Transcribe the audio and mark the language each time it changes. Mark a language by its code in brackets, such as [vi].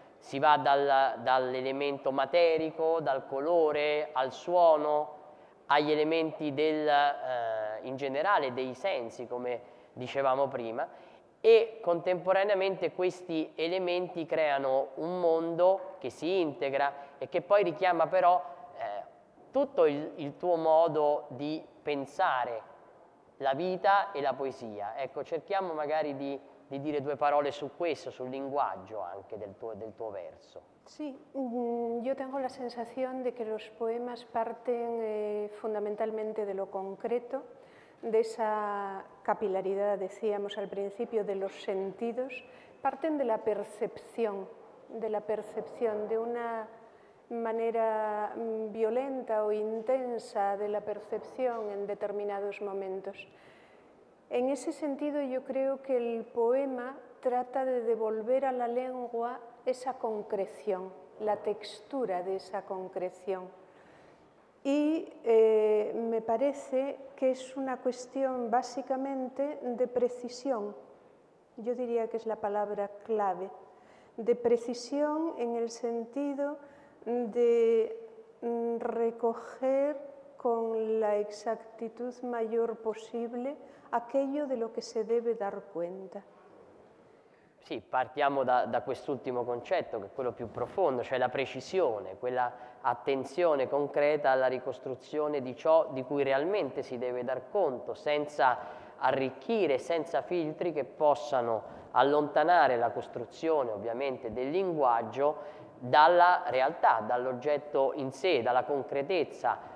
[it] Si va dall'elemento materico, dal colore, al suono, agli elementi in generale dei sensi, come dicevamo prima, e contemporaneamente questi elementi creano un mondo che si integra e che poi richiama però tutto il tuo modo di pensare la vita e la poesia. Ecco, cerchiamo magari di dire due parole su questo, sul linguaggio anche del tuo verso. [es] Sì, io tengo la sensazione de que los poemas parten fondamentalmente de lo concreto, de esa capilaridad, decíamos al principio, de los sentidos, parten de la percepción, de una manera violenta o intensa de la percepción en determinados momentos. En ese sentido, yo creo que el poema trata de devolver a la lengua esa concreción, la textura de esa concreción. Y me parece que es una cuestión básicamente de precisión. Yo diría que es la palabra clave. De precisión en el sentido de recoger con la exactitud mayor posible aquello de lo que se debe dar cuenta. [it] Sí, partiamo da quest'ultimo concetto, [es] que es [it] quello più profondo, cioè la precisione, quella attenzione concreta alla ricostruzione di ciò di cui realmente si deve dar conto, senza arricchire, senza filtri che possano allontanare la costruzione, ovviamente, del linguaggio dalla realtà, dall'oggetto in sé, dalla concretezza.